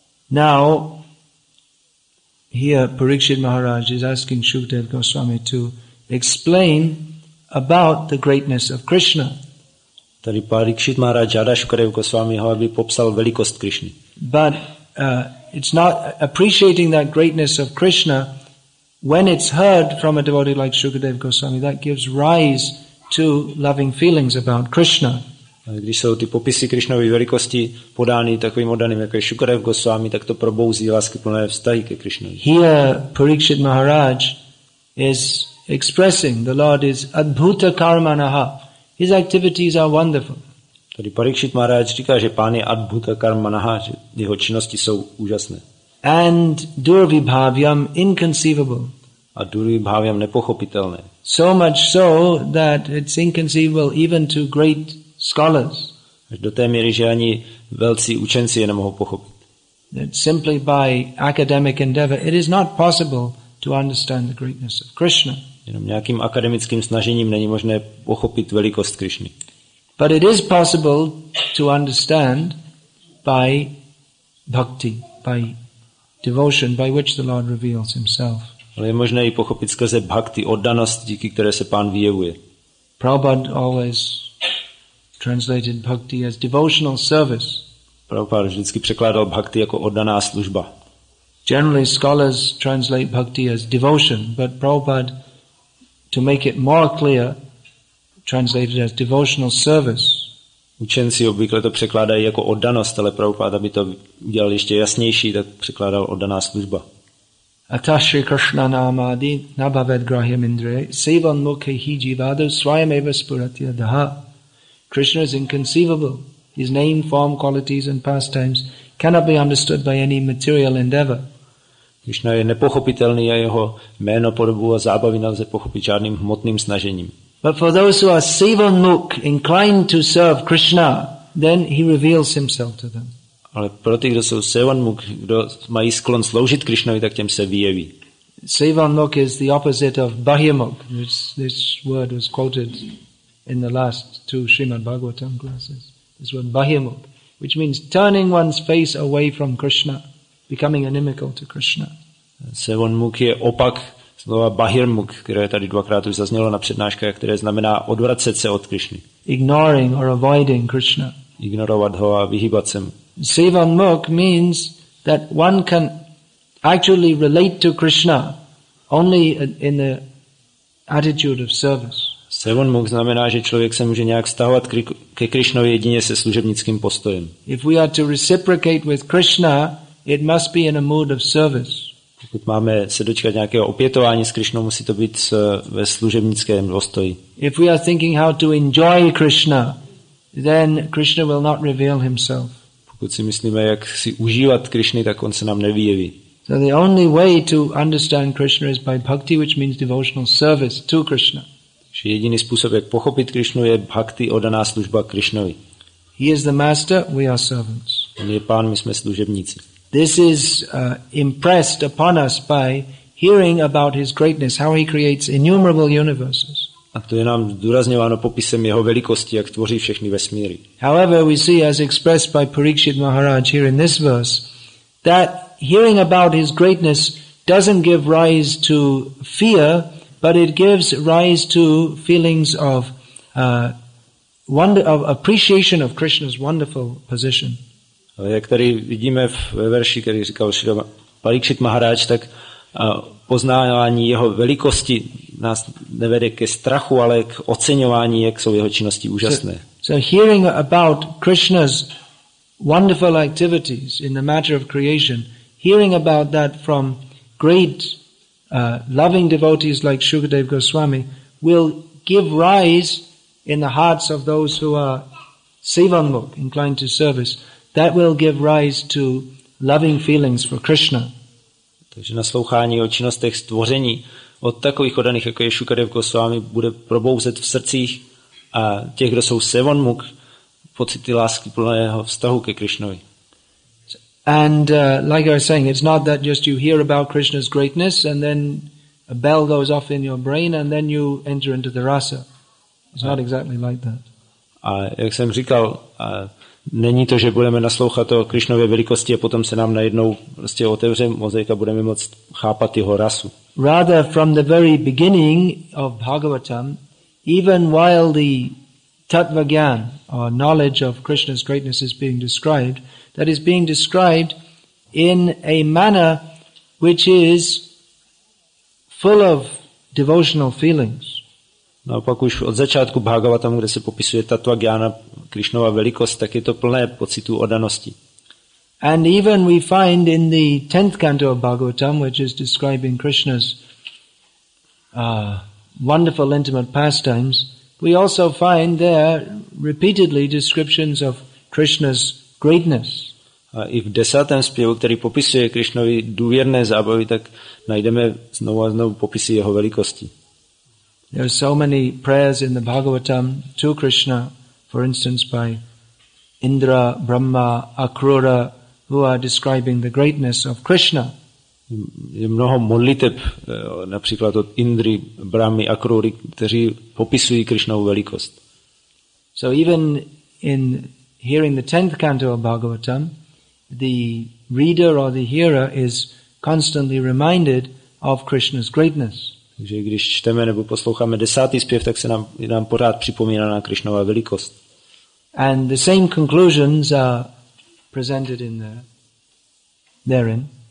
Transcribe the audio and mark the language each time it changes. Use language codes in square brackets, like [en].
[en] Now, here Parikshit Maharaj is asking Shukadev Goswami to explain about the greatness of Krishna. [cs] Tady Parikshit Maharaj žádá Shukadev Goswami, aby popsal velikost Krišny. [en] But it's not appreciating that greatness of Krishna when it's heard from a devotee like Shukadev Goswami that gives rise to loving feelings about Krishna. [cs] Když jsou ty popisy Krišnovy velikosti podány takovým oddaným, jako je Shukadev Goswami, tak to probouzí láskyplné vztahy ke Krišnovi. [en] Here Parikshit Maharaj is expressing the Lord is adbhuta karmanaha. His activities are wonderful. [cs] Tady Parikshit Maharaj říká, že pán je adbhuta karmanaha, že jeho činnosti jsou úžasné. [en] And durvibhavyam inconceivable. [cs] A durvibhavyam nepochopitelné. [en] So much so that it's inconceivable even to great scholars. [cs] Až do té míry, že ani velcí učenci je nemohou pochopit. [en] That simply by academic endeavor, it is not possible to understand the greatness of Krishna. [cs] Jenom nějakým akademickým snažením není možné pochopit velikost Krišny. [en] But it is possible to understand by bhakti, by devotion, by which the Lord reveals himself. [cs] Ale je možné i pochopit skrze bhakti, oddanost, díky které se pán vyjevuje. [en] Prabhupada always translated bhakti as devotional service. [cs] Prabhupada vždycky překládal bhakti jako oddaná služba. [en] Generally scholars translate bhakti as devotion, but Prabhupada, to make it more clear, translated as devotional service. [cs] Učenci obvykle to překládají jako oddanost, ale Prabhupada, aby to udělal ještě jasnější, tak překládal oddaná služba. [sa] Ata Shri Krishna namadi nabhaved grahyam indriye sevan mukhe hi jivadu swayam eva spurati adha. [en] Krishna is inconceivable. His name, form, qualities and pastimes cannot be understood by any material endeavor. [cs] Krishna je nepochopitelný a jeho jméno, podobu a zábavy nelze pochopit žádným hmotným snažením. [en] But for those who are sevan mukh, inclined to serve Krishna, then he reveals himself to them. [cs] Ale pro ty, kdo jsou sevan mukh, kdo mají sklon sloužit Krishnovi, tak těm se vyjeví. [en] Sevan mukh is the opposite of bahyamukh. This word was quoted in the last two Srimad Bhagavatam classes. This word bahyamukh, which means turning one's face away from Krishna, becoming inimical to Krishna. [cs] Sevan mukh je opak slova bahyamukh, které tady dvakrát už zaznělo na přednáškách, které znamená odvracet se od Krishny. [en] Ignoring or avoiding Krishna. [cs] Ignorovat ho a vyhýbat se mu. [en] Sevan mukh means that one can actually relate to Krishna only in the attitude of service. [cs] Sevan mukh znamená, že člověk se může nějak stahovat ke Krišnovi jedině se služebnickým postojem. [en] If we are to reciprocate with Krishna, it must be in a mood of service. [cs] Pokud máme se dočkat nějakého opětování s Krišnou, musí to být ve služebnickém postoji. [en] If we are thinking how to enjoy Krishna, then Krishna will not reveal himself. [cs] Pokud si myslíme, jak si užívat Krišny, tak on se nám nevyjeví. [en] So the only way to understand Krishna is by bhakti, which means devotional service to Krishna. [cs] Že jediný způsob, jak pochopit Krišnu, je bhakti, oddaná služba Krišnovi. [en] He is the master, we are servants. [cs] On je pán, my jsme služebníci. [en] This is impressed upon us by hearing about his greatness, how he creates innumerable universes. [cs] A to je nám zdůrazňováno popisem jeho velikosti, jak tvoří všechny vesmíry. [en] However, we see as expressed by Parikshit Maharaj here in this verse, that hearing about his greatness doesn't give rise to fear, but it gives rise to feelings of wonder, of appreciation of Krishna's wonderful position. [cs] Ale jak tady vidíme ve verši, který říkal Parikshit Maharaj, tak poznávání jeho velikosti nás nevede ke strachu, ale k oceňování, jak jsou jeho činnosti úžasné. [en] So hearing about Krishna's wonderful activities in the matter of creation, hearing about that from great loving devotees like Shukadeva Goswami will give rise in the hearts of those who are sevanmuk, inclined to service, that will give rise to loving feelings for Krishna. [cs] Takže naslouchání o činnostech stvoření od takových odaných, jako je Shukadeva Goswami, bude probouzet v srdcích a těch, kdo jsou sevanmuk, pocity lásky plného vztahu ke Krishnovi. [en] And like I was saying, it's not that just you hear about Krishna's greatness and then a bell goes off in your brain and then you enter into the rasa. It's not exactly like that. [cs] A jak jsem říkal, není to, že budeme naslouchat o Krishnově velikosti a potom se nám najednou prostě otevře mozek a budeme moct chápat jeho rasu. [en] Rather, from the very beginning of Bhagavatam, even while the tattva gyan, or knowledge of Krishna's greatness is being described, that is being described in a manner which is full of devotional feelings. [cs] No, pak už od začátku Bhagavatam, kde se popisuje tattva gyana, Krishnova velikost, tak je to plné pocitu oddanosti. [en] And even we find in the 10th canto of Bhagavatam, which is describing Krishna's wonderful intimate pastimes, we also find there repeatedly descriptions of Krishna's greatness. [cs] A i v 10. zpěvu, který popisuje Krishnovi důvěrné zábavy, tak najdeme znovu a znovu popisy jeho velikosti. [en] There are so many prayers in the Bhagavatam to Krishna, for instance by Indra, Brahma, Akrura, who are describing the greatness of Krishna. [cs] Je mnoho modliteb, například od Indry, Brahmy, Akrury, kteří popisují Krishnovu velikost. [en] So even in hearing the 10th canto of Bhagavatam, the reader or the hearer is constantly reminded of Krishna's greatness. [cs] Takže když čteme nebo posloucháme 10. zpěv, tak se nám pořád připomíná na Krishnova velikost. [en] And the same conclusions are presented in the therein.